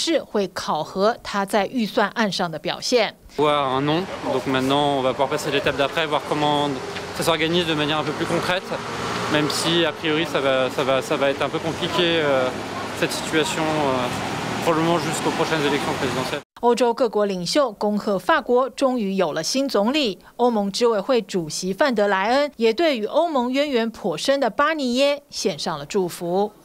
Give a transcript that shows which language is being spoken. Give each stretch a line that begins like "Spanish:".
Chinese: 法国总理主要的职务是制定政策和实施。如果表现不佳，国会可以投下不信任票罢免。巴尼耶上任后面临的第一个挑战是2025预算案，他必须在很紧迫的时间内提交。各政党都表示会考核他在预算案上的表现。
French: Voir un nom. Donc maintenant, on va pouvoir passer l'étape d'après, voir comment ça s'organise de manière un peu plus concrète, même si a priori ça va être un peu compliqué cette situation probablement jusqu'aux prochaines élections présidentielles.
Chinese: 欧洲各国领袖恭贺法国终于有了新总理，欧盟执委会主席范德莱恩也对与欧盟渊源颇深的巴尼耶献上了祝福。